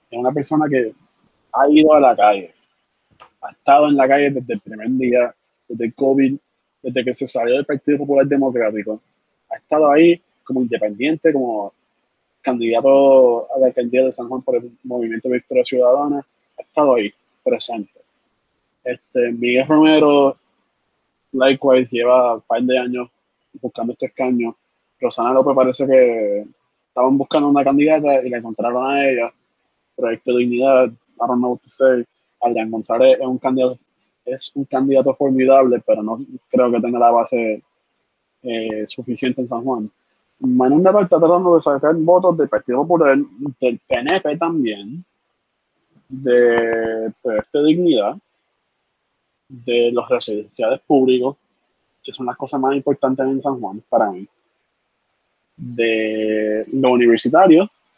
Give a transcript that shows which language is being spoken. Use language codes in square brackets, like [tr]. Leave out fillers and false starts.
[es] Es una persona que ha ido a la calle, ha estado en la calle desde el primer día, desde COVID, desde que se salió del Partido Popular Democrático, ha estado ahí como independiente, como candidato a la alcaldía de San Juan por el Movimiento Victoria Ciudadana, ha estado ahí, presente. Miguel Romero, likewise, lleva un par de años buscando este escaño. Rosana López parece que estaban buscando una candidata y la encontraron a ella. [en] Proyecto Dignidad, I don't know what to say. [es] Adrián González es un candidato formidable, pero no creo que tenga la base suficiente en San Juan. Manuel Natal está tratando de sacar votos del Partido Popular, del PNP también, de Proyecto Dignidad, de los residenciales públicos, que son las cosas más importantes en San Juan para mí, de los universitarios,